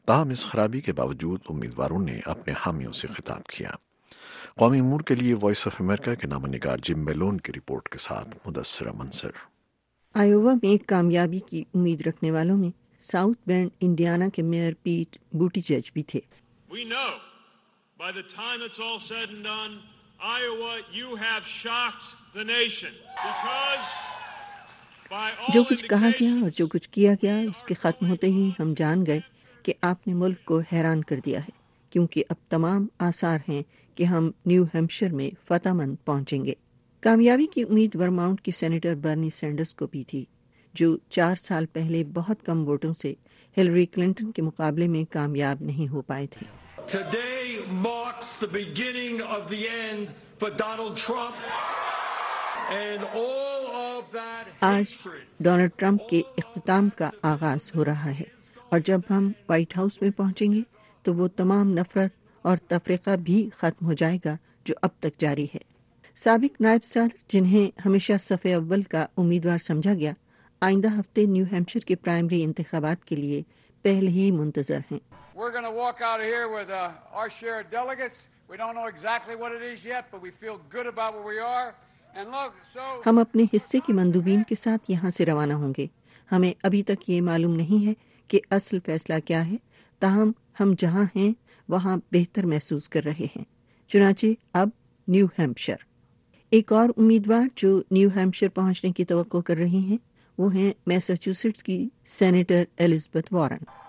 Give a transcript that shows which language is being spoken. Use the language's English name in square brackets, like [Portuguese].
[Urdu] تاہم اس خرابی کے باوجود امیدواروں نے اپنے حامیوں سے خطاب کیا. قومی امور کے لیے وائس آف امریکہ کے نامہ نگار جم میلون کی رپورٹ کے ساتھ مدثرہ منصر. آئیووا میں کامیابی کی امید رکھنے والوں میں ساؤتھ بینڈ انڈیانا کے میئر پیٹ بوٹی جج بھی تھے. [English] We know by the time it's all said and done, Iowa, you have shocked the nation because [Urdu] جو کچھ کہا گیا اور جو کچھ کیا گیا اس کے ختم ہوتے ہی ہم جان گئے کہ آپ نے ملک کو حیران کر دیا ہے، کیونکہ اب تمام آثار ہیں کہ ہم نیو ہیمپشر میں فتح مند پہنچیں گے۔ کامیابی کی امید ورماؤنٹ کی سینیٹر برنی سینڈرز کو بھی تھی، جو 4 سال پہلے بہت کم ووٹوں سے ہلری کلنٹن کے مقابلے میں کامیاب نہیں ہو پائے تھے۔ [English] Today marks the beginning of the end for Donald Trump and all of that [Urdu] آج ڈونلڈ ٹرمپ کے اختتام کا آغاز ہو رہا ہے، اور جب ہم وائٹ ہاؤس میں پہنچیں گے تو وہ تمام نفرت اور تفرقہ بھی ختم ہو جائے گا جو اب تک جاری ہے۔ سابق نائب صدر، جنہیں ہمیشہ صف اول کا امیدوار سمجھا گیا، آئندہ ہفتے نیو ہیمپشر کے پرائمری انتخابات کے لیے پہلے ہی منتظر ہیں۔ [English] We're going to walk out of here with our share of delegates. We don't know exactly what it is yet, but we feel good about where we are. And look, so [Urdu] ہم اپنے حصے کی مندوبین کے ساتھ یہاں سے روانہ ہوں گے۔ ہمیں ابھی تک یہ معلوم نہیں ہے کہ اصل فیصلہ کیا ہے، تاہم ہم جہاں ہیں وہاں بہتر محسوس کر رہے ہیں۔ چنانچہ اب نیو ہیمپشر۔ ایک اور امیدوار جو نیو ہیمپشر پہنچنے کی توقع کر رہے ہیں وہ ہیں میساچوسٹس کی سینیٹر ایلزبتھ وارن۔